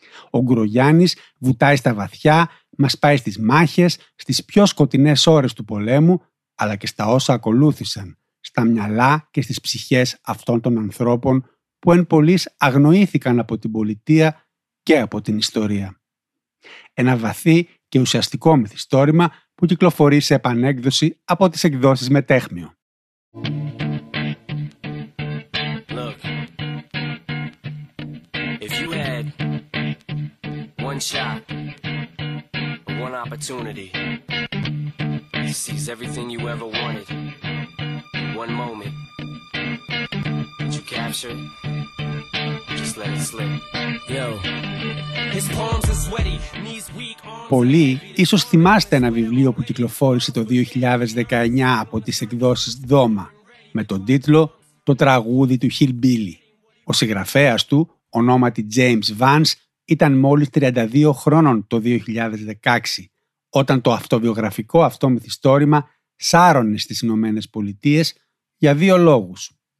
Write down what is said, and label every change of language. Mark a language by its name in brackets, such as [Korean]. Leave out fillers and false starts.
[Greek] Ο Γκουρογιάννης βουτάει στα βαθιά, μας πάει στις μάχες, στις πιο σκοτεινές ώρες του πολέμου, αλλά και στα όσα ακολούθησαν, στα μυαλά και στις ψυχές αυτών των ανθρώπων που εν πολλής αγνοήθηκαν από την πολιτεία και από την ιστορία. Ένα βαθύ και ουσιαστικό μυθιστόρημα που κυκλοφορεί σε επανέκδοση από τις εκδόσεις Μετέχμιο. [English] Look, if you had one shot, one opportunity to seize everything you ever wanted, one moment that you captured, just let it slip. Yo, his palms are sweaty, knees weak. [Greek] Πολλοί ίσως θυμάστε ένα βιβλίο που κυκλοφόρησε το 2019 από τις εκδόσεις Δώμα με τον τίτλο «Το τραγούδι του Χιλμπίλι». Ο συγγραφέας του, ονόματι James Vance, ήταν μόλις 32 χρόνων το 2016, όταν το αυτοβιογραφικό αυτό μυθιστόρημα σάρωνε στις Ηνωμένες Πολιτείες για δύο λόγους.